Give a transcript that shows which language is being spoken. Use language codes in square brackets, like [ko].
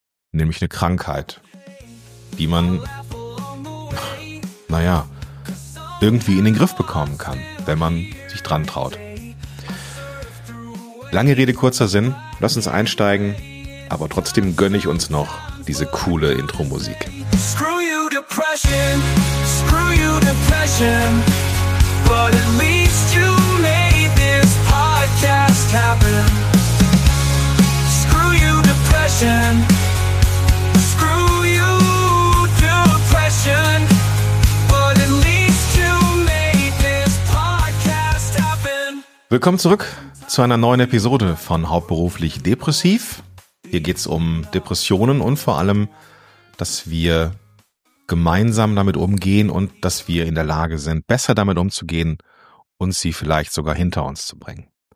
[de] Nämlich eine Krankheit, die man, naja, irgendwie in den Griff bekommen kann, wenn man sich dran traut. Lange Rede, kurzer Sinn. Lass uns einsteigen. Aber trotzdem gönne ich uns noch diese coole Intro-Musik. [en] Screw you, Depression. Screw you, Depression. But at least you made this podcast happen. Screw you, Depression. Screw you, Depression. But at least you made this podcast happen. [de] Willkommen zurück zu einer neuen Episode von Hauptberuflich Depressiv. Hier geht's um Depressionen und vor allem, dass wir gemeinsam damit umgehen und dass wir in der Lage sind, besser damit umzugehen und sie vielleicht sogar hinter uns zu bringen.